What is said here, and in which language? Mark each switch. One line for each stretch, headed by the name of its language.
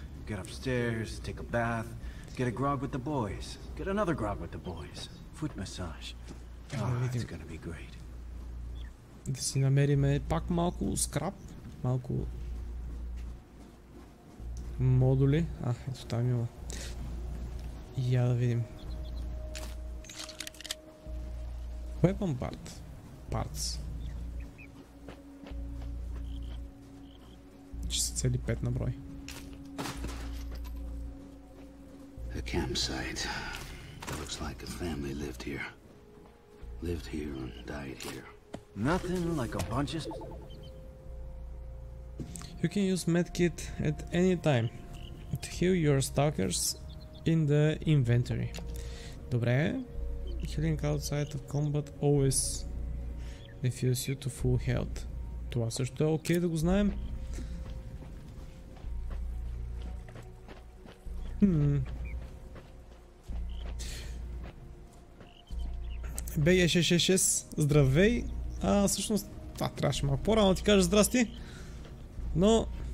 English: Get upstairs, take a bath, get a grog with the boys, get another grog with the boys, foot massage. Ah, it's gonna be great.
Bulgarian: Да си намериме пак малко скраб, малко модули. А, ето там има. Я да видим.
English: Weapon part. Parts.
Bulgarian: Че са цели 5 на брой.
English: The campsite. It looks like a family lived here. Lived here and died here. Nothing like a bunch of... You can use medkit at any time to heal your stalkers in the inventory.
Bulgarian: Добре.
English: Healing outside of combat always refuse you to full health.
Bulgarian: Това също е окей да го знаем. BE666, здравей! А, всъщност, това трябваше малко по-рано да ти кажа здрасти. Но...